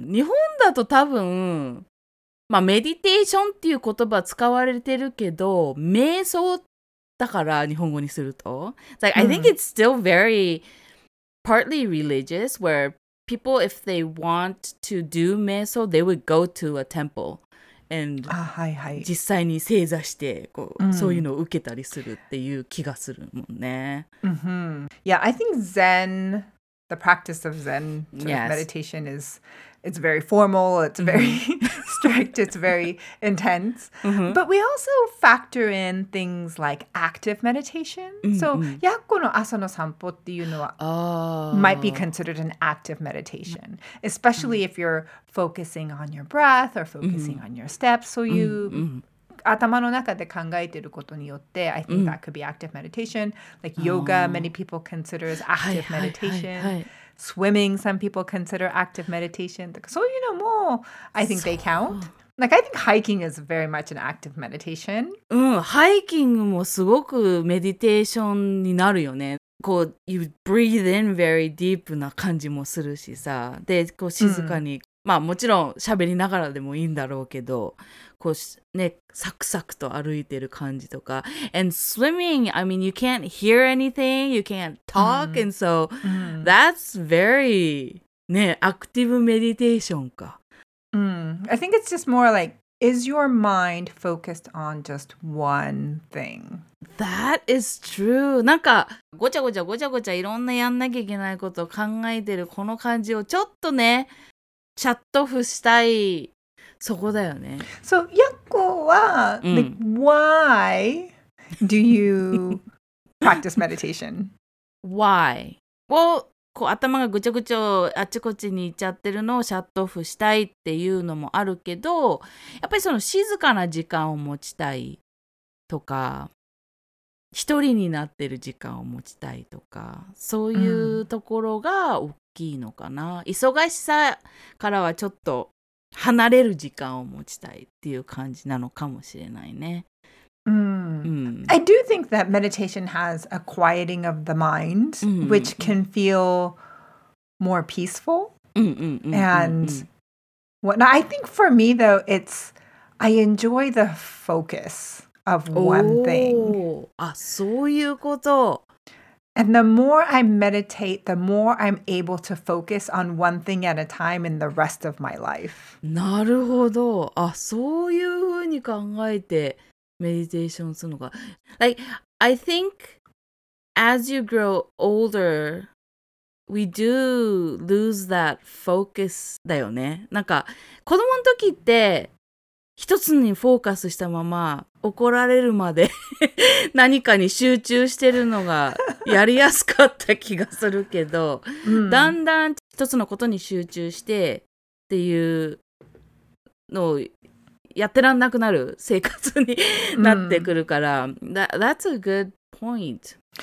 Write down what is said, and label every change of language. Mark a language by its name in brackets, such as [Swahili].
[Japanese] 日本だと多分まあメディテーションっていう言葉使われてるけど、瞑想だから日本語にすると、 [English] like, I think it's still very partly religious where people if they want to do 瞑想 they would go to a temple and [Japanese] あ、はいはい、実際に正座してこう、うん、そういうのを受けたりするっていう気がするもんね。 [English] Mm-hmm. Yeah, I think Zen, the practice of Zen sort of、yes. meditation is it's very formal, it's very、mm-hmm. strict, it's very intense. Mm-hmm. But we also factor in things like active meditation. Mm-hmm. So, [Japanese] yakko no asa no sanpo っていうのは [English] might be considered an active meditation. Especially if you're focusing on your breath or focusing on your steps. So you, [Japanese] 頭の中で考えてることによって, [English] I think that could be active meditation. Like yoga, many people consider as active meditation. Swimming, some people consider active meditation. So, you know, more, I think they count. Like, I think hiking is very much an active meditation. [Japanese] Hiking もすごくメディテーションになるよね。 [English] こう、you breathe in very deep [Japanese] な感じもするしさ。で、こう静かに、まあもちろん喋りながらでもいいんだろうけど、こうね、サクサクと歩いてる感じとか。 [English] And swimming, I mean, you can't hear anything, you can't talk, and so that's very, [Japanese] ね、アクティブメディテーションか。 [English] I think it's just more like, is your mind focused on just one thing? That is true. [Japanese] なんか、ごちゃごちゃごちゃごちゃいろんなやんなきゃいけないことを考えてるこの感じをちょっとね、シャットオフしたい。そこだよね。 [English] So, Yakko は、like, why do you practice meditation? Why? [Japanese] Well, こう頭がぐちゃぐちゃあちこちに行っちゃってるのをシャットオフしたいっていうのもあるけど、やっぱりその静かな時間を持ちたいとか、一人になってる時間を持ちたいとか、そういうところが大きいのかな。忙しさからはちょっと離れる時間を持ちたいっていう感じなのかもしれないね。 [English] I do think that meditation has a quieting of the mind, which can feel more peaceful. And what I think for me though, it's I enjoy the focus of one thing. [Japanese] あ、そういうこと。 [English] And the more I meditate, the more I'm able to focus on one thing at a time in the rest of my life. [Japanese] なるほど。あ、そういうふうに考えてメディテーションするのか。 [English] Like, I think as you grow older, we do lose that focus [Japanese] だよね。なんか、子供の時って一つにフォーカスしたまま怒られるまで何かに集中してるのがやりやすかった気がするけど、だんだん一つのことに集中してっていうのをやってらんなくなる生活になってくるから、 [English] That's a good point.